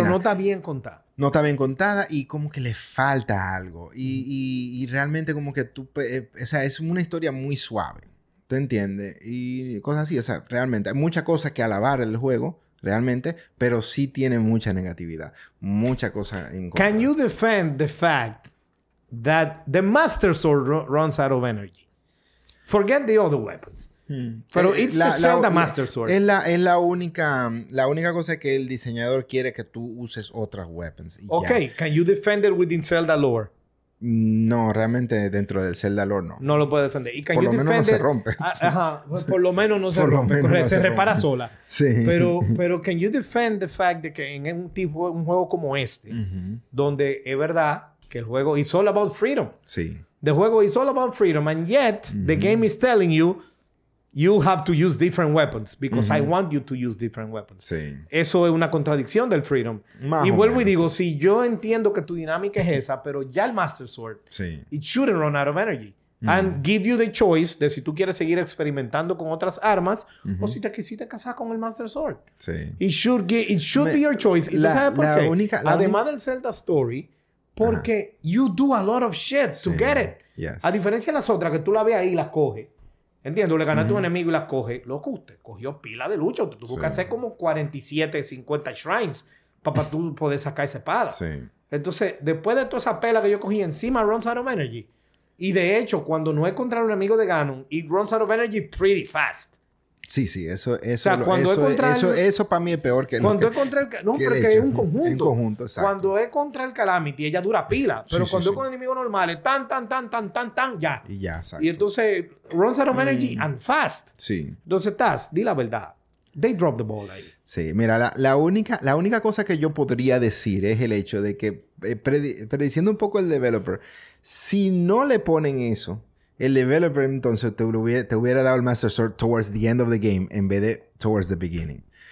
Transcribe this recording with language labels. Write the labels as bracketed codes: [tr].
[es] Pero no está bien contada. No está bien contada y como que le falta algo. Y realmente como que tú... o sea, es una historia muy suave. ¿Tú entiendes? Y cosas así. O sea, realmente hay muchas cosas que alabar el juego, realmente. Pero sí tiene mucha negatividad. Mucha cosa en contra. [en] Can you defend the fact that the Master Sword runs out of energy? Forget the other weapons. Pero it's the Zelda Master Sword. [es] Es la única cosa que el diseñador quiere que tú uses otras weapons. [en] Okay, [es] ya. [en] Can you defend it within Zelda lore? [es] No, realmente dentro del Zelda lore no. No lo puede defender. Y Can por lo menos defender, no se rompe. Por lo menos no se rompe. No se repara rompe. Sola. Sí. Pero [en] can you defend the fact [es] de que en un tipo, un juego como este, donde es verdad que el juego [en] is all about freedom. [es] Sí. [en] The juego is all about freedom and yet the game is telling you you have to use different weapons because I want you to use different weapons. [es] Sí. Eso es una contradicción del freedom. Más y vuelvo y digo, si sí, yo entiendo que tu dinámica es esa, pero ya el Master Sword, [en] it shouldn't run out of energy. And give you the choice [es] de si tú quieres seguir experimentando con otras armas o si te quisiste casar con el Master Sword. Sí. [en] It should be your choice. [es] ¿Y tú sabes por qué? Además [en] del Zelda story, porque you do a lot of shit to get it. Yes. [es] A diferencia de las otras que tú la ves ahí y las coges. Entiendo, le ganas a tu enemigo y las coge. Loco, usted cogió pila de lucha. Usted tuvo que hacer como 47, 50 shrines para tú poder sacar esa espada. Sí. Entonces, después de toda esa pela que yo cogí encima, [en] runs out of energy. [es] Y de hecho, cuando no es contra un enemigo de Ganon, [en] it runs out of energy pretty fast. [es] Sí, sí, eso es. O sea, cuando es contra. Eso para mí es peor que. Cuando que, es contra el. No, pero que es un conjunto. En conjunto, exacto. Cuando es contra el Calamity, ella dura pila. Pero sí, cuando es con enemigos normales, tan, ya. Y ya, exacto. Y entonces, [en] runs out of energy and fast. [es] Sí. Entonces, Taz, di la verdad. [en] They drop the ball [es] ahí. Sí, mira, la única cosa que yo podría decir es el hecho de que, prediciendo un poco el developer, si no le ponen eso. El developer, entonces, te hubiera dado el Master Sword [en] towards the end of the game [es] en vez de [en] towards the beginning.